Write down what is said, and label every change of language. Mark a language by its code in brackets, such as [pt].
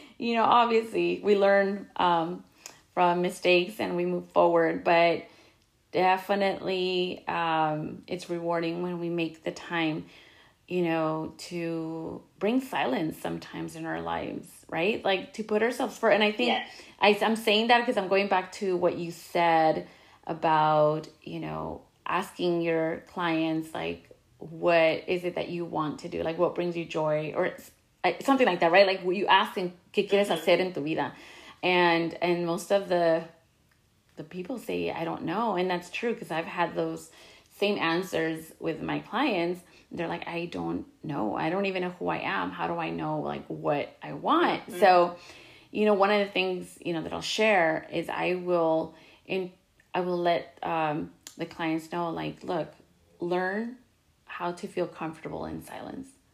[en] You know, obviously, we learn from mistakes and we move forward, but definitely, it's rewarding when we make the time, you know, to bring silence sometimes in our lives, right? Like to put ourselves first. And I think I'm saying that because I'm going back to what you said about, you know, asking your clients, like, what is it that you want to do? Like, what brings you joy, or something like that, right? Like, you asking, [es] ¿qué quieres hacer en tu vida? [en] And most of the people say, I don't know. And that's true, because I've had those same answers with my clients. They're like, I don't know. I don't even know who I am. How do I know like what I want? Mm-hmm. So, you know, one of the things, you know, that I'll share is I will let the clients know, like, look, learn how to feel comfortable in silence.